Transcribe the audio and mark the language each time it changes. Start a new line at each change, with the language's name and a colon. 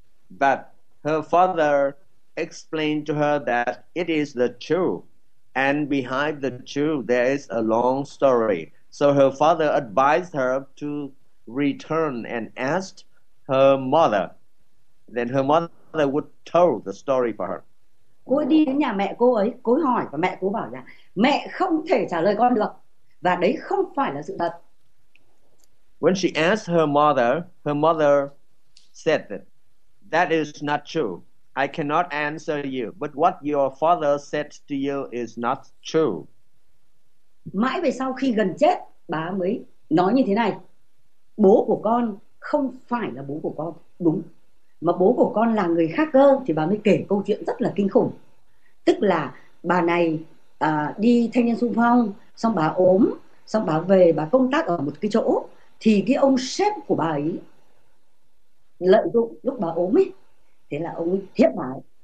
English: But her father explained to her that it is the truth, and behind the truth there is a long story. So her father advised her to return and asked her mother. Then her mother would tell the story for her.
Vietnamese: Cô đi đến nhà mẹ cô ấy, cô ấy hỏi và mẹ cô bảo là mẹ không thể trả lời con được và đấy không phải là sự thật.
English: When she asked her mother said that that is not true. I cannot answer you, but what your father said to you is not true.
Vietnamese: Mãi về sau khi gần chết, bà mới nói như thế này: bố của con không phải là bố của con, đúng, mà bố của con là người khác cơ. Thì bà mới kể câu chuyện rất là kinh khủng, tức là bà này đi thanh niên xung phong, xong bà ốm, xong bà về bà công tác ở một cái chỗ, thì cái ông sếp của bà ấy lợi dụng lúc bà ốm ấy, thế là ông ấy hiếp bà ấy.